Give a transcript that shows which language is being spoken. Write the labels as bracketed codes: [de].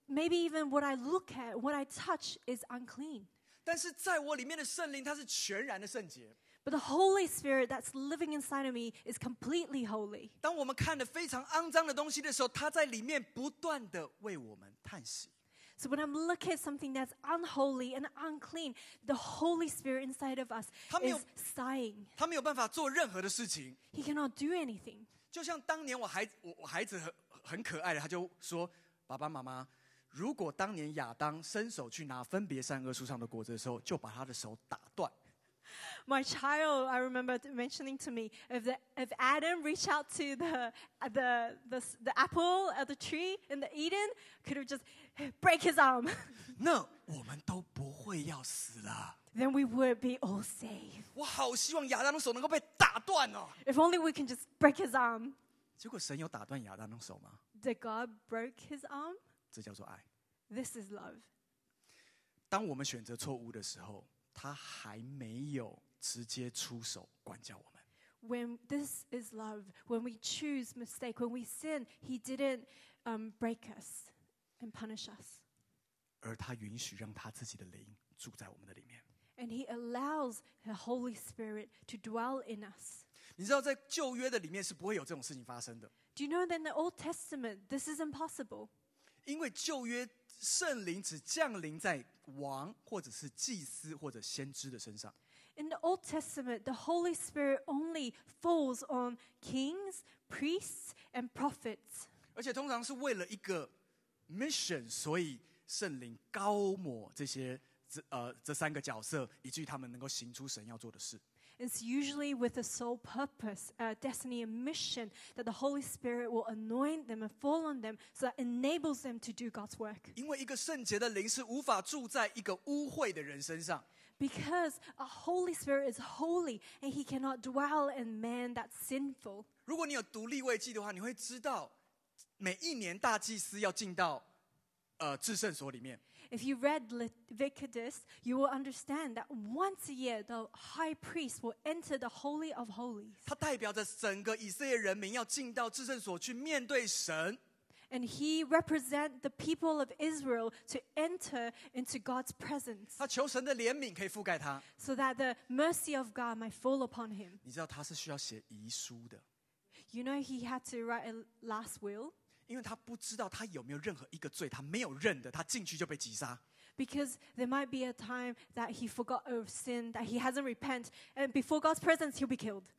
[en] Maybe even what I look at, what I touch is unclean. [zh] 但是在我里面的圣灵，他是全然的圣洁。 [en] But the Holy Spirit that's living inside of me is completely holy. [zh] 当我们看的非常肮脏的东西的时候，他在里面不断的为我们叹息。 [en] So when I'm looking at something that's unholy and unclean, the Holy Spirit inside of us is sighing. [zh] 他没有办法做任何的事情。 [en] He cannot do anything. [zh] 就像当年我孩子 很可爱的，他就说：“爸爸妈妈。” 如果当年亚当伸手去拿分别善恶树上的果子的时候，就把他的手打断。 [en] My child, I remember mentioning to me, if Adam reached out to the apple at the tree in the Eden, could have just break his arm. [zh] 那我们都不会要死了。 [en] Then we would be all safe. [zh] 我好希望亚当的手能够被打断哦。 [en] If only we can just break his arm. [zh] 结果神有打断亚当的手吗？ [en] Did God break his arm? [zh] 这叫做爱。 [en] This is love. [zh] 当我们选择错误的时候，他还没有直接出手管教我们。 [en] When this is love, when we choose mistake, when we sin, he didn't break us and punish us. [zh] 而他允许让他自己的灵住在我们的里面。 [en] And he allows the Holy Spirit to dwell in us. [zh] 你知道在旧约的里面是不会有这种事情发生的。 [en] Do you know that in the Old Testament, this is impossible? [zh] 因为旧约圣灵只降临在王或者是祭司或者先知的身上。 [en] In the Old Testament, the Holy Spirit only falls on kings, priests and prophets. [zh] 而且通常是为了一个 mission， 所以圣灵高抹这些这三个角色，以至于他们能够行出神要做的事。 [en] It's usually with a sole purpose, a destiny, a mission that the Holy Spirit will anoint them and fall on them so that enables them to do God's work. [zh] 因为一个圣洁的灵是无法住在一个污秽的人身上。 [en] Because a Holy Spirit is holy and he cannot dwell in man that's sinful. [zh] 如果你有读立位记的话，你会知道每一年大祭司要进到至圣所里面。 [en] If you read Leviticus, you will understand that once a year, the high priest will enter the Holy of Holies. [zh] 它代表着整个以色列人民要进到至圣所去面对神。 [en] And he represents the people of Israel to enter into God's presence. [zh] 他求神的怜悯可以覆盖他。 [en] So that the mercy of God might fall upon him. [zh] 你知道他是需要写遗书的。 [en] You know he had to write a last will. [zh] 因为他不知道他有没有任何一个罪他没有认的，他进去就被击杀。 [en] Because there might be a time that he forgot of sin, that he hasn't repented, and before God's presence, he'll be killed.